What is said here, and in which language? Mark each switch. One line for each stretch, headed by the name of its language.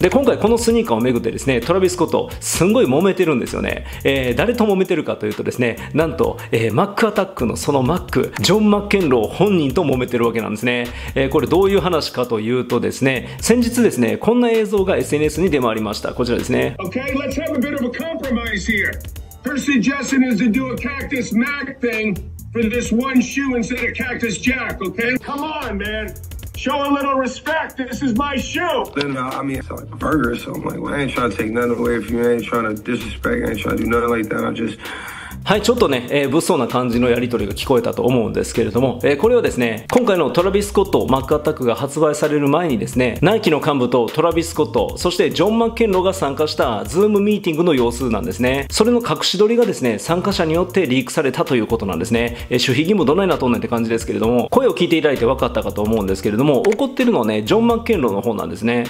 Japanese: で今回このスニーカーをめぐってですね、トラビスことすんごい揉めてるんですよね、誰と揉めてるかというとですね、なんと、マックアタックのそのマックジョン・マッケンロー本人と揉めてるわけなんですね、これどういう話かというとですね、先日ですねこんな映像が SNS に出回りました。こちらですね。
English: Okay, let's have a bit of a compromise here. Her suggestion is to do a cactus Mac thing for this one shoe instead of cactus Jack. Okay, come on man, show a little respect, this is my shoe. Then I mean, it's like a burger, so I'm like, well, I ain't trying to take nothing away from you, I ain't trying to disrespect, I ain't trying to do nothing like that, I just...
Japanese: はい、ちょっとね、物騒な感じのやり取りが聞こえたと思うんですけれども、これはですね、今回のトラビス・スコットマックアタックが発売される前にですね、ナイキの幹部とトラビス・スコット、そしてジョン・マッケンローが参加したズームミーティングの様子なんですね。それの隠し撮りがですね、参加者によってリークされたということなんですね、守秘義務どないなとんねんって感じですけれども、声を聞いていただいて分かったかと思うんですけれども、怒ってるのはねジョン・マッケンローの方なんですね。